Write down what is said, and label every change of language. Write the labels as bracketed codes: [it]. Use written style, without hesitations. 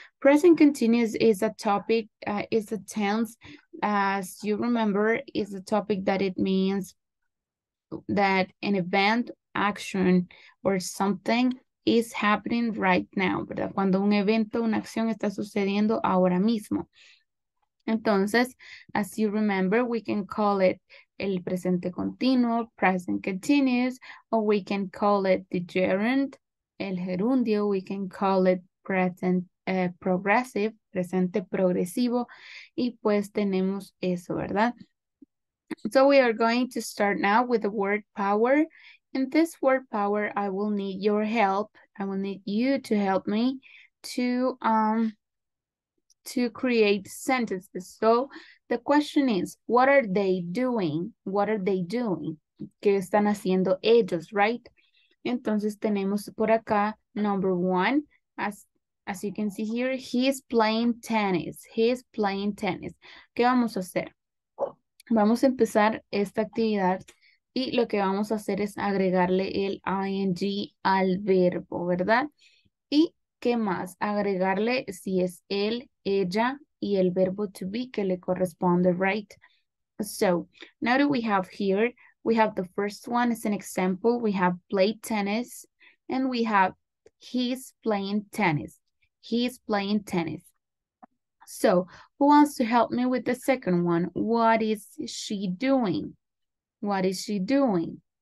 [en] Present continuous is a topic, is a tense, as you remember, is a topic that it means that an event, action, or something is happening right now, ¿verdad? [es] Cuando un evento, una acción está sucediendo ahora mismo. [en] Entonces, as you remember, we can call it [es] el presente continuo, [en] present continuous, or we can call it the gerund. [es] El gerundio, [en] we can call it present progressive, [es] presente progresivo, y pues tenemos eso, ¿verdad? [en] So we are going to start now with the word power. In this word power, I will need your help. I will need you to help me to create sentences. So the question is, what are they doing? What are they doing? [es] ¿Qué están haciendo ellos, [en] right? [es] Entonces tenemos por acá [en] number one, as you can see here, he is playing tennis. He is playing tennis. [es] ¿Qué vamos a hacer? Vamos a empezar esta actividad y lo que vamos a hacer es agregarle el ing al verbo, ¿verdad? ¿Y qué más? Agregarle si es él, ella y el verbo to be que le corresponde, right? [en] So, now that we have here, we have the first one as an example. We have played tennis and we have he's playing tennis. He's playing tennis. So, who wants to help me with the second one? What is she doing? What is she doing?